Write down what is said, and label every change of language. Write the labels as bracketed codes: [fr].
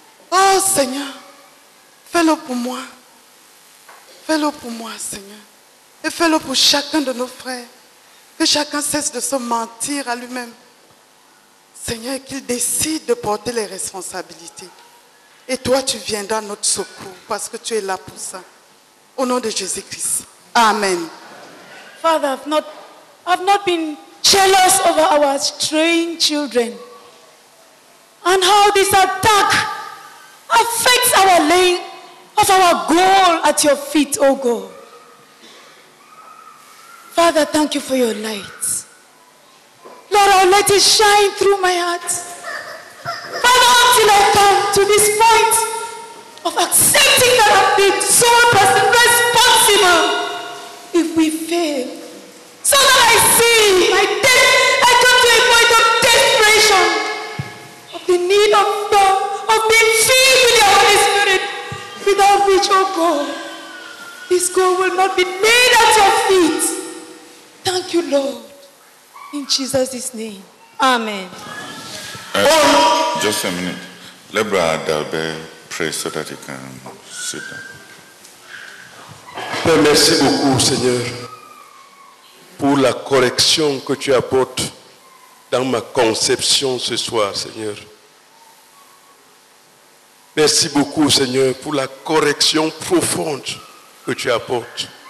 [fr] Oh Seigneur, fais-le pour moi. Fais-le pour moi, Seigneur. Et fais-le pour chacun de nos frères. Que chacun cesse de se mentir à lui-même. Seigneur, qu'il décide de porter les responsabilités. Et toi, tu viendras à notre secours parce que tu es là pour ça. Au nom de Jésus-Christ. Amen. [en] Father, I've not been jealous over our straying children and how this attack affects our laying of our goal at your feet, oh God. Father, thank you for your light. Lord, I'll let it shine through my heart. Father, until I come to this point of accepting that I've been so person responsible if we fail. So that I see my death, I come to a point of desperation, of the need of God, of being filled with your Holy Spirit, without which, oh God, this goal will not be made at your feet. Thank you, Lord, in Jesus' name. Amen. Just a minute. Let Brother Dalbert pray so that he can sit down. [fr] Merci beaucoup, Seigneur, pour la correction que tu apportes dans ma conception ce soir, Seigneur. Merci beaucoup, Seigneur, pour la correction profonde que tu apportes.